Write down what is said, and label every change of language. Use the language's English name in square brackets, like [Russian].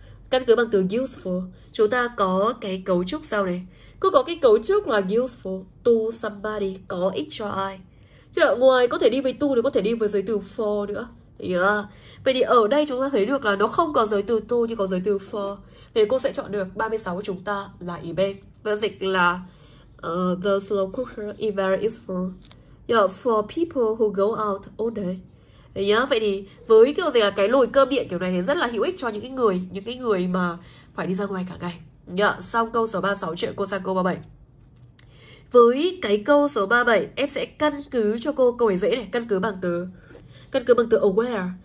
[Vietnamese] Căn cứ bằng từ useful, chúng ta có cái cấu trúc sau này. Cô có cái cấu trúc là [English] useful to somebody, [Vietnamese] có ích cho ai. Chợ ngoài có thể đi với to thì có thể đi với giới từ for nữa. Vậy thì ở đây chúng ta thấy được là nó không có giới từ to nhưng có giới từ for. Thì cô sẽ chọn được 36 của chúng ta là ý B. Và dịch là [English] the slow cooker is very useful for people who go out all day. [Vietnamese] Vậy thì với kiểu gì là cái nồi cơm điện kiểu này thì rất là hữu ích cho những cái người mà phải đi ra ngoài cả ngày. Xong câu số 36 chuyện cô sang câu 37. Với cái câu số 37 em sẽ căn cứ cho cô câu này dễ này, căn cứ bằng từ aware.